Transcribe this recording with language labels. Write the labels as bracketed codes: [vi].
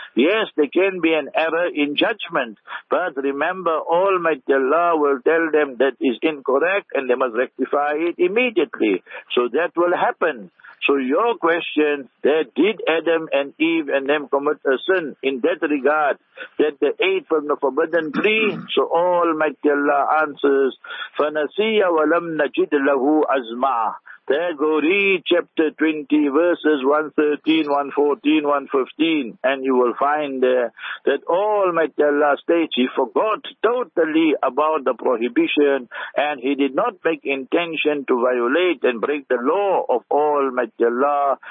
[en] Yes, there can be an error in judgment. But remember, Almighty Allah will tell them that is incorrect and they must rectify it immediately. So that will happen. So your question, that did Adam and Eve and them commit a sin in that regard, that they ate from the forbidden tree? So Almighty Allah answers, [ar] فَنَسِيَ وَلَمْ نَجِدْ لَهُ أَزْمَعَ. [en] There go, read chapter 20, verses 113, 114, 115, and you will find there that Almighty Allah states he forgot totally about the prohibition and he did not make intention to violate and break the law of Almighty Allah.